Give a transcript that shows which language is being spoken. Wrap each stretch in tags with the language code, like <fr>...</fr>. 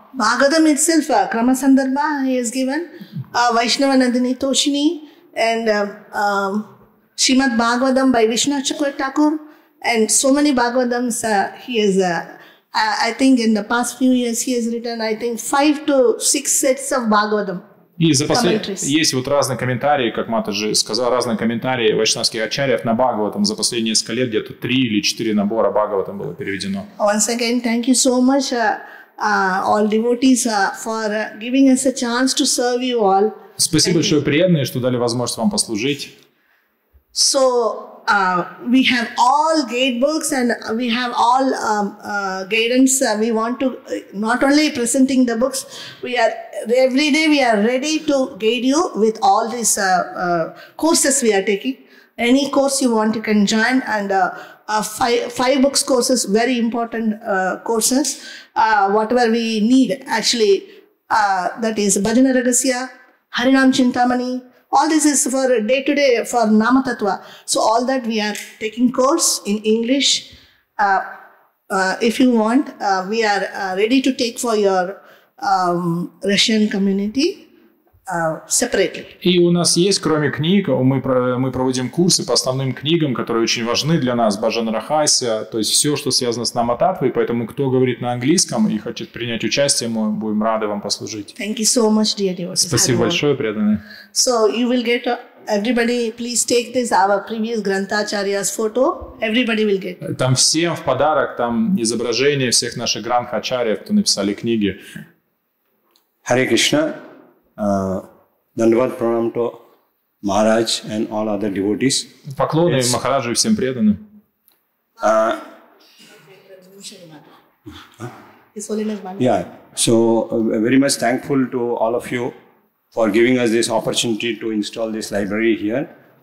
<en>Бхагаватам itself, Крама Сандарба, he has given, Вайшнава Надани Тошини, and Шримад Бхагаватам by Вишну Чакрати Такур, and so many Бхагаватамс he has I think in the past few years he has written, I think, 5 to 6 sets of Bhagavatam.</en> <ru>И за последние есть вот разные комментарии, как Матаджи сказал, разные комментарии вайшнавских ачарьев на Бхагаватам. За последние несколько лет где-то 3 или 4 набора Бхагаватам было переведено.</ru> <en>Once again, thank you so much, all devotees, for giving us a chance to serve you all.</en> <ru>Спасибо большое, преданные, что дали возможность вам послужить.</ru> <en>So, we have all guide books and we have all guidance. We want to not only presenting the books. We are every day we are ready to guide you with all these courses we are taking. Any course you want, you can join. And five books courses, very important courses. Whatever we need actually, that is Bhajana Ragasya, Harinam Chintamani. All this is for day-to-day, for Nama Tattva. So all that we are taking course in English. If you want, we are ready to take for your Russian community separately.</en> <ru>И у нас есть, кроме книг, мы проводим курсы по основным книгам, которые очень важны для нас, Бхаджана Рахасья, то есть все, что связано с Нама Таттвой. Поэтому кто говорит на английском и хочет принять участие, мы будем рады вам послужить.</ru> <en>Thank you so much, dear devotees.</en> <ru>Спасибо большое, преданные.</ru> <en>So you will get everybody, please take this, our previous Гранхачарьяс photo. Everybody will get.</en> <ru>Там всем в подарок, там изображение всех наших Гранхачарьев, кто написали книги.</ru> <en>Hare Krishna. Dandavat pranam to Maharaj and all other devotees.</en> <ru>Поклоны Махараджу и всем преданным.</ru> <en>Yeah, so very much thankful to all of you for giving us this opportunity to install this library here.</en>